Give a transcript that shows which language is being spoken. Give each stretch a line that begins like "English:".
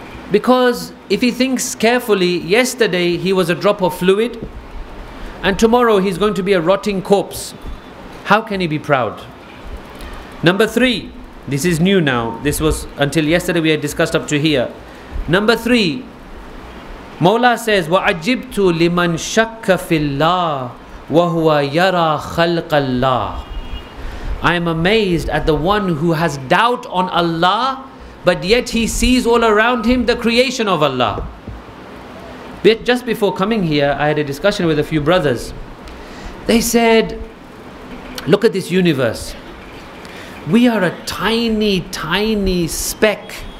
English: Because if he thinks carefully, yesterday he was a drop of fluid and tomorrow he's going to be a rotting corpse. How can he be proud? Number 3, this is new now. This was until yesterday we had discussed up to here. Number 3, Mawla says,
Arabic: وَعَجِبْتُ لِمَنْ شَكَّ فِي اللَّهِ وَهُوَ يَرَى خَلْقَ اللَّهِ.
English: I am amazed at the one who has doubt on Allah, but yet he sees all around him the creation of Allah. But just before coming here, I had a discussion with a few brothers. They said, look at this universe. We are a tiny, tiny speck